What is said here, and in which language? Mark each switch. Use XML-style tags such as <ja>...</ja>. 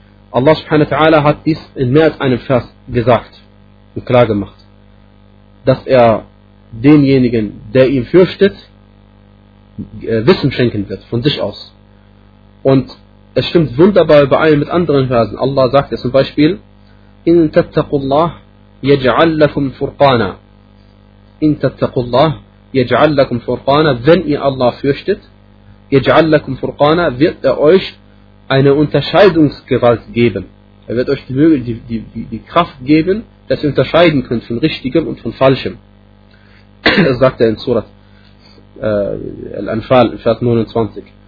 <de>Allah subhanahu wa ta'ala hat dies in mehr als einem Vers gesagt und klar gemacht, dass er denjenigen, der ihn fürchtet, Wissen schenken wird, von sich aus. Und es stimmt wunderbar überein mit anderen Versen. Allah sagt ja zum Beispiel,</de> <ar>إِن تَتَّقُوا اللَّهِ يَجْعَلْ لَكُمْ فُرْقَانًا. إِن تَتَّقُوا اللَّهِ يَجْعَلْ لَكُمْ فُرْقَانًا.</ar> <de>Wenn ihr Allah fürchtet,</de> <ar>يَجْعَلْ لَكُمْ فُرْقَانًا,</ar> <de>wird er euch eine Unterscheidungsgewalt geben. Er wird euch die Kraft geben, dass ihr unterscheiden könnt von Richtigem und von Falschem. Das sagt er in Surat Al-Anfal, Vers 29.</de>